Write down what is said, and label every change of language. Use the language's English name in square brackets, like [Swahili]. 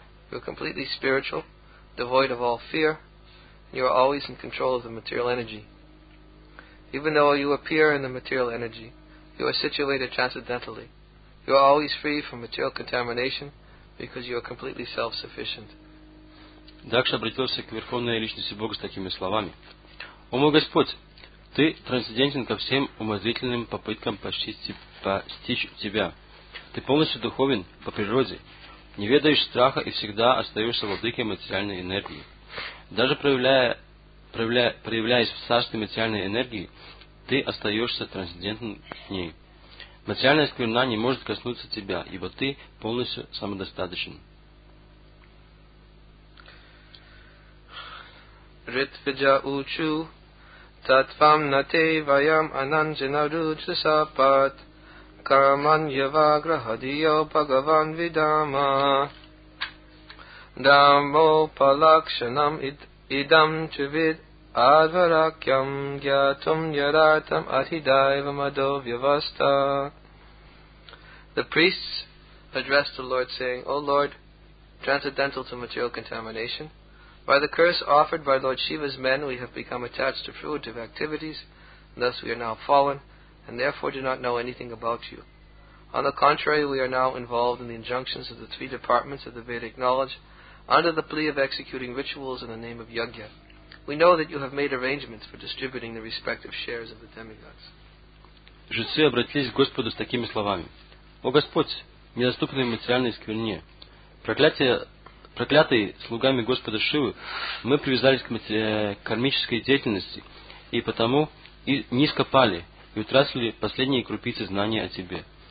[English] You are completely spiritual, devoid of all fear. You are always in control of the material energy. Even though you appear in the material energy, you are situated transcendentally. You are always free from material contamination because you are completely self-sufficient. [Russian] Дакша обратился к Верховной Личности Бога с такими словами. О мой Господь, Ты трансцендентен ко всем умозрительным попыткам постичь Тебя. Ты полностью духовен по природе, не ведаешь страха и всегда остаешься владыкой материальной энергии. Даже проявляясь в царстве материальной энергии, ты остаешься трансцендентным к ней. Материальная скверна не может коснуться тебя, ибо ты полностью самодостаточен. [Sanskrit] Ритвиджа учу татвам нате ваям ананджина руджа сапат караманья ваграхадия бхагаван видама Дамо палакшанам идам чувид адваракьям гьятум яратам атидайва мадовьяваста. [English] The priests addressed the Lord, saying, O Lord, transcendental to material contamination, by the curse offered by Lord Shiva's men, we have become attached to fruitive activities, and thus we are now fallen, and therefore do not know anything about you. On the contrary, we are now involved in the injunctions of the three departments of the Vedic knowledge, under the plea of executing rituals in the name of Yajna. We know that you have made arrangements for distributing the respective shares of the demigods. [Russian] Жрецы обратились к Господу с такими словами. О Господь, недоступный материальной скверне, проклятые слугами Господа Шивы, мы привязались к кармической деятельности, и потому и низко пали, и утратили последние крупицы знания о Тебе.